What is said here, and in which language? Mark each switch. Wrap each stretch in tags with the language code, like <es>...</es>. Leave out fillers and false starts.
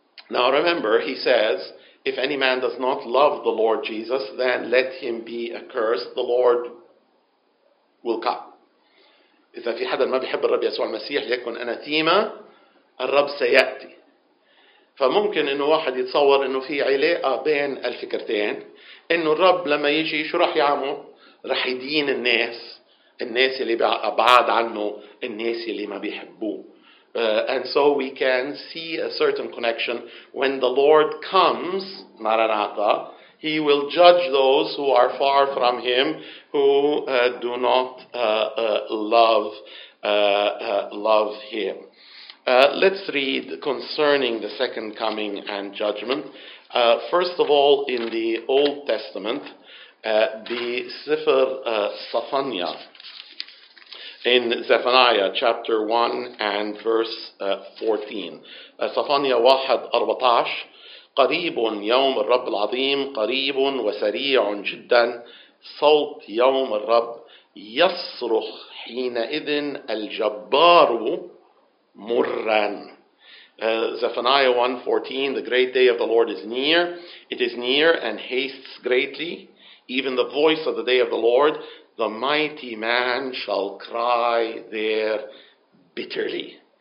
<en>Now remember, he says, if any man does not love the Lord Jesus, then let him be accursed. The Lord will come.</en> <ar>إذا في حدا ما بيحب الرب يسوع المسيح يكون أناتيما, الرب سيأتي. فممكن إنه واحد يتصور إنه في علاقة بين الفكرتين, إنه الرب لما يجي شو رح يعمل؟ رح يدين الناس اللي أبعاد عنه, الناس اللي ما بيحبوه.</ar> <en>And so we can see a certain connection. When the Lord comes, Maranatha, he will judge those who are far from him, who do not love him. Let's read concerning the second coming and judgment. First of all, in the Old Testament, the Sefer Safania. In Zephaniah chapter 1 and verse 14. Safania 1:14.</en> <ar>قريب يوم الرب العظيم, قريب وسريع جدا, صوت يوم الرب يصرخ حينئذ الجبار مرا.</ar> <en>Zephaniah 1:14. The great day of the Lord is near. It is near and hastes greatly. Even the voice of the day of the Lord, the mighty man shall cry there bitterly.</en>